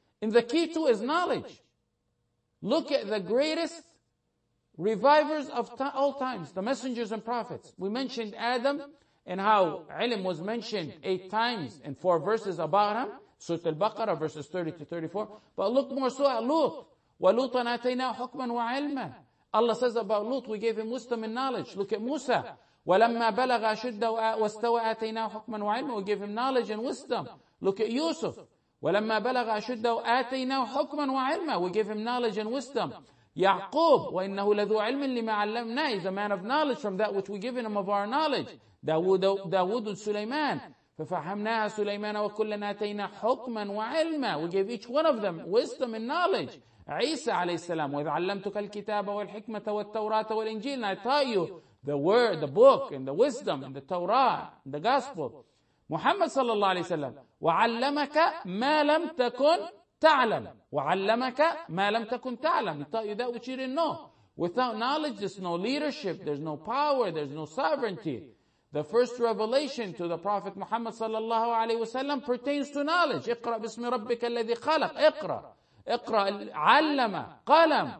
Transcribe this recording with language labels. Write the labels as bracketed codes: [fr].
[en] And the key to is knowledge. Look at the greatest revivers of all times, the messengers and prophets. We mentioned Adam and how ilm was mentioned 8 times in 4 verses about him. Surah Al-Baqarah, verses 30 to 34. But look more so at Lut. [ar] وَلُوتًا أَتَيْنَا حُكْمًا وَعِلْمًا. [en] Allah says about Lut, we gave him wisdom and knowledge. Look at Musa. [ar] وَلَمَّا بَلَغَ شُدَّهُ وَاسْتَوَى أَتَيْنَا حُكْمًا وَعِلْمًا. [en] We gave him knowledge and wisdom. Look at Yusuf. [ar] وَلَمَّا بَلَغَ شُدَّهُ أَتَيْنَا حُكْمًا وَعِلْمًا. [en] We gave him knowledge and wisdom. [ar] Yaqub, وَإِنَّهُ لَذُو عِلْمٍ لِمَا عَلَّمْنَا. [en] He's a man of knowledge from that which we given him of our knowledge. [ar] Dawood and Sulaiman. فَفَحَمْنَاهَا سُلَيْمَانَ وَكُلَّنَا أَتَيْنَا حُكْمًا وَعِلْمًا. [en] We gave each one of them wisdom and knowledge. [ar] عيسى عليه السلام وإذ علمتك الكتاب والحكمة والتوراة والإنجيل. [en] And I taught you the word, the book, and the wisdom, and the Torah, and the gospel. [ar] محمد صلى الله عليه وسلم وعلمك ما لم تكن تعلم. وعلمك ما لم تكن تعلم. [en] He taught you that which you didn't know. Without knowledge, there's no leadership, there's no power, there's no sovereignty. The first revelation to the Prophet Muhammad صلى الله عليه وسلم pertains to knowledge. [ar] اقرأ باسم ربك الذي خلق. اقرأ. اقرأ علم قلم.